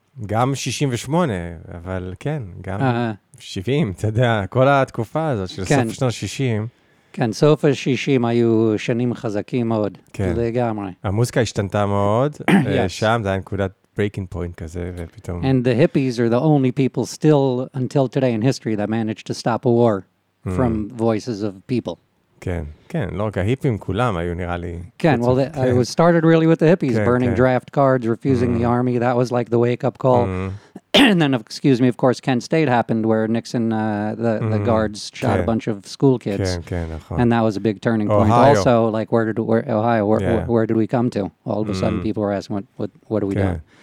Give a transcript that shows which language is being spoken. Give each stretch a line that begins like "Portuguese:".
Hebrew: גם 68, אבל כן, גם 70, אתה יודע, כל התקופה הזאת של סוף שנות ה-60. כן, סוף ה-60 היו שנים חזקים מאוד, לגמרי. המוזיקה השתנתה מאוד, שם זה היה נקודת
English: breaking point
Hebrew: כזה, ופתאום...
English: And the hippies are the only people still, until today in history, that managed to stop a war from voices of people.
Hebrew: כן, כן, לא רק ההיפים כולם היו נראה לי... כן,
English: well, it was started really with the hippies, burning draft cards, refusing the army, that was like the wake-up call. And then, excuse me, of course, Kent State happened, where Nixon, the guards shot a bunch of school kids.
Hebrew: כן, כן, נכון.
English: And that was a big turning point. Ohio. Also, like, where did we come to? All of a sudden, people were asking, what do we do?